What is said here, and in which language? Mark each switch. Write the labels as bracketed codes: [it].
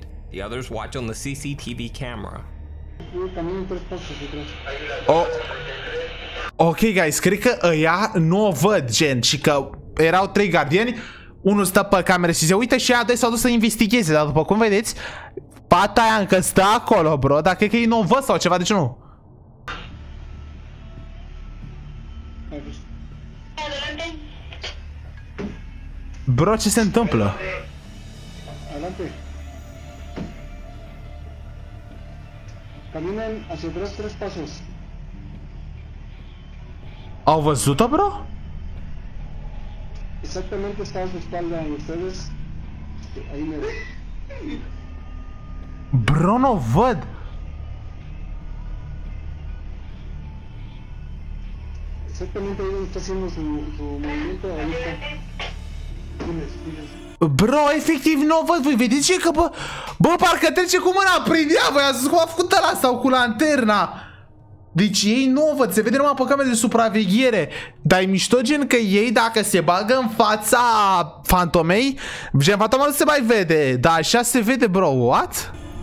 [en] The others watch on the CCTV camera. Oh. [ro] Ok, guys, cred că ăia nu o văd, gen, și că erau trei gardieni, unul stă pe cameră și se uită și ăia s-au dus să investigheze, dar după cum vedeți, pata aia încă stă acolo, bro, dar cred că ei nu o văd sau ceva, de ce nu? Bro, ce se întâmplă? [es] Adelante. Caminen hacia atrás tres pasos. [ro] ¿Au văzut-o, bro? [es] Exactamente, está a su espalda y ustedes... Ahí me ve. [ro] Bro, no văd. [es] Exactamente, ahí está haciendo su movimiento, ahí está. Diles, diles. [ro] Bro, efectiv nu o văd, voi vedeți ce că bă, parcă trece cu mâna prin ea, voi ați zis cum a făcut ăla sau cu lanterna. Deci ei nu o văd, se vede numai pe camera de supraveghere. Dar e mișto gen că ei dacă se bagă în fața fantomei, gen fantoma nu se mai vede, dar așa se vede, bro, what?